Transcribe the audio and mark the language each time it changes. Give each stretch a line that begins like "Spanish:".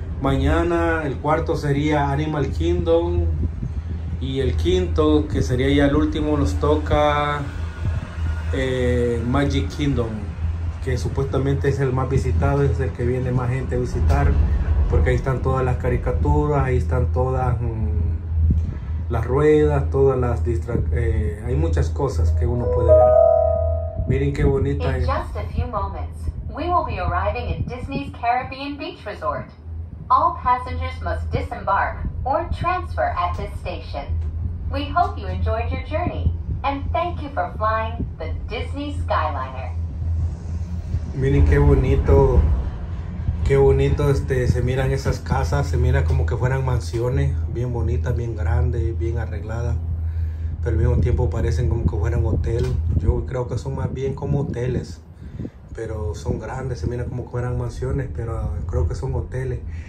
Spanish: Mañana el cuarto sería Animal Kingdom, y el quinto, que sería ya el último, nos toca Magic Kingdom, que supuestamente es el más visitado, es el que viene más gente a visitar, porque ahí están todas las caricaturas, ahí están todas las ruedas, todas las hay muchas cosas que uno puede ver. Miren qué bonita es.
English: In just a few moments, we will be arriving at Disney's Caribbean Beach Resort. All passengers must disembark or transfer at this station. We hope you enjoyed your journey and thank you for flying the Disney Skyliner.
Spanish: Miren qué bonito. Qué bonito se miran esas casas, se mira como que fueran mansiones, bien bonitas, bien grandes, bien arregladas. Pero al mismo tiempo parecen como que fueran hotel. Yo creo que son más bien como hoteles, pero son grandes, se miran como que fueran mansiones, pero creo que son hoteles.